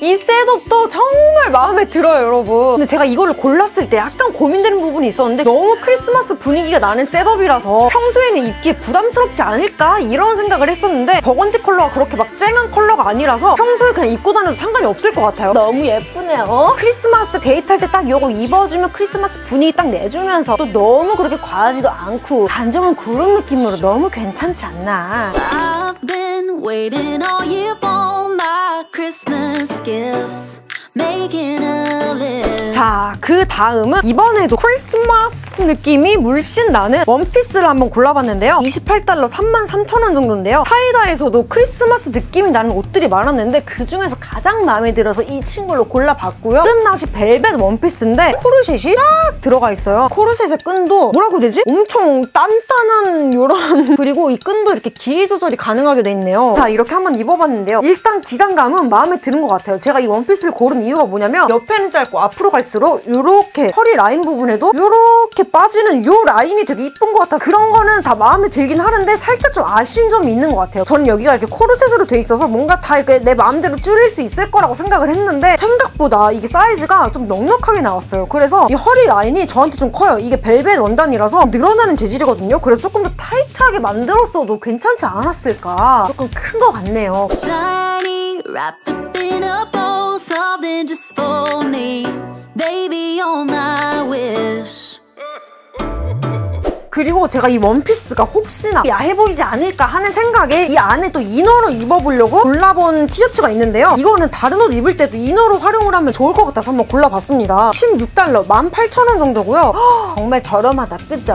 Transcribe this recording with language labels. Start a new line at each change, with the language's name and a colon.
Korean: 이 셋업도 정말 마음에 들어요, 여러분. 근데 제가 이거를 골랐을 때 약간 고민되는 부분이 있었는데 너무 크리스마스 분위기가 나는 셋업이라서 평소에는 입기에 부담스럽지 않을까 이런 생각을 했었는데 버건디 컬러가 그렇게 막 쨍한 컬러가 아니라서 평소에 그냥 입고 다녀도 상관이 없을 것 같아요. 너무 예쁘네요. 크리스마스 데이트할 때 딱 이거 입어 주면 크리스마스 분위기 딱 내주면서 또 너무 그렇게 과하지도 않고 단정한 그런 느낌으로 너무 괜찮지 않나.
English: I've been waiting all year for my Christmas gifts. Making a list.
Korean: 자, 그 다음은 이번에도 크리스마스 느낌이 물씬 나는 원피스를 한번 골라봤는데요. $28, 33,000원 정도인데요. 사이다에서도 크리스마스 느낌이 나는 옷들이 많았는데 그 중에서 가장 마음에 들어서 이 친구로 골라봤고요. 끝나시 벨벳 원피스인데 코르셋이 딱 들어가 있어요. 코르셋의 끈도 뭐라고 해야 되지? 엄청 단단한 요런 그리고 이 끈도 이렇게 길이 조절이 가능하게 돼 있네요. 자, 이렇게 한번 입어봤는데요. 일단 기장감은 마음에 드는 것 같아요. 제가 이 원피스를 고른 이유가 뭐냐면 옆에는 짧고 앞으로 갈수록 이렇게 허리 라인 부분에도 이렇게 빠지는 이 라인이 되게 이쁜 것 같아서 그런 거는 다 마음에 들긴 하는데 살짝 좀 아쉬운 점이 있는 것 같아요. 저는 여기가 이렇게 코르셋으로 돼 있어서 뭔가 다 이렇게 내 마음대로 줄일 수 있을 거라고 생각을 했는데 생각보다 이게 사이즈가 좀 넉넉하게 나왔어요. 그래서 이 허리 라인이 저한테 좀 커요. 이게 벨벳 원단이라서 늘어나는 재질이거든요. 그래서 조금 더 타이트하게 만들었어도 괜찮지 않았을까. 조금 큰 것 같네요.
English: Shiny wrapped up in a bow something just for me. Baby, on my wish.
Korean: 그리고 제가 이 원피스가 혹시나 야해 보이지 않을까 하는 생각에 이 안에 또 이너로 입어보려고 골라본 티셔츠가 있는데요. 이거는 다른 옷 입을 때도 이너로 활용을 하면 좋을 것 같아서 한번 골라봤습니다. $16, 18,000원 정도고요. 정말 저렴하다, 그죠?